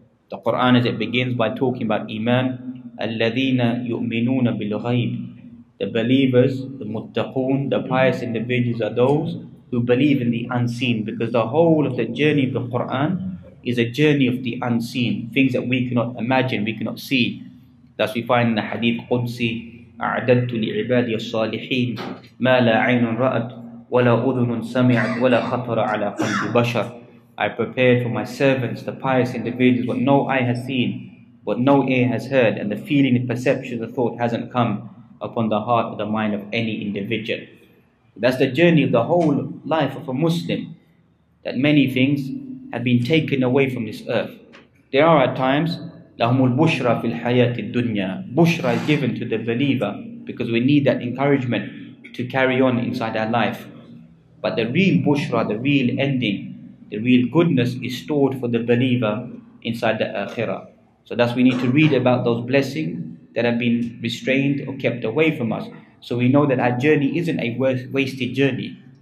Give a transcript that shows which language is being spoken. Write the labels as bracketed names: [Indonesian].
[English] The Quran, as it begins by talking about Iman, [Arabic] الَّذِينَ يُؤْمِنُونَ بِالْغَيْبِ. [English] The believers, the muttaqoon, the pious individuals are those who believe in the unseen, because the whole of the journey of the Quran is a journey of the unseen, things that we cannot imagine, we cannot see. Thus we find in the Hadith Qudsi, [Arabic] أَعْدَدْتُ لِعِبَادِيَ الصَّالِحِينَ مَا لَا عَيْنٌ رَأَتْ وَلَا أُذُنٌ سَمِعَتْ وَلَا خَطَرَ عَلَى قَلْبِ بَشَرٍ. [English] I prepared for my servants, the pious individuals, what no eye has seen, what no ear has heard, and the feeling, the perception, the thought hasn't come upon the heart or the mind of any individual. That's the journey of the whole life of a Muslim, that many things have been taken away from this earth. There are at times, [Arabic] لَهُمُ الْبُشْرَى فِي الْحَيَاةِ الدُّنْيَا. [English] Bushra is given to the believer, because we need that encouragement to carry on inside our life. But the real bushra, the real ending, the real goodness is stored for the believer inside the Akhirah. So thus we need to read about those blessings that have been restrained or kept away from us, so we know that our journey isn't a wasted journey.